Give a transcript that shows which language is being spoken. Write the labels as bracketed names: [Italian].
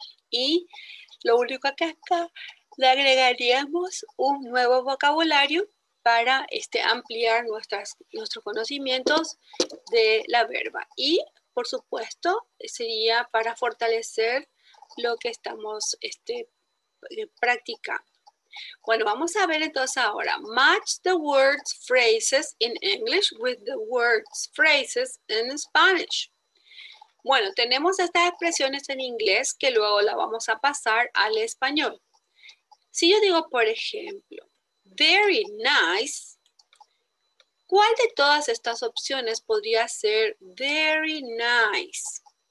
[Spanish] Y lo único que acá le agregaríamos un nuevo vocabulario para ampliar nuestros conocimientos de la verba. Y, por supuesto, sería para fortalecer lo que estamos practicando. Bueno, vamos a ver entonces ahora. [English] Match the words, phrases in English with the words, phrases in Spanish. [Spanish] Bueno, tenemos estas expresiones en inglés que luego la vamos a pasar al español. Si yo digo, por ejemplo, [English] very nice, [Spanish] ¿cuál de todas estas opciones podría ser very nice?